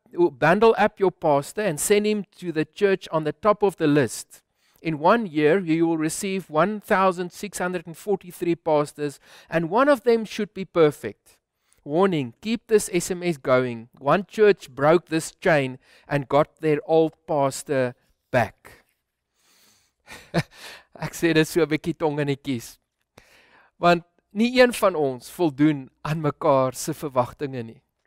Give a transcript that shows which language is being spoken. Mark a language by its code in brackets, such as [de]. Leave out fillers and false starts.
[en] bundle up your pastor and send him to the church on the top of the list. In 1 year, you will receive 1,643 pastors, and one of them should be perfect. Warning, keep this SMS going. One church broke this chain and got their old pastor back. [af] Ek sê dit so 'n bietjie tong in die kies. Want nie een van ons voldoen aan mekaar se verwagtinge nie.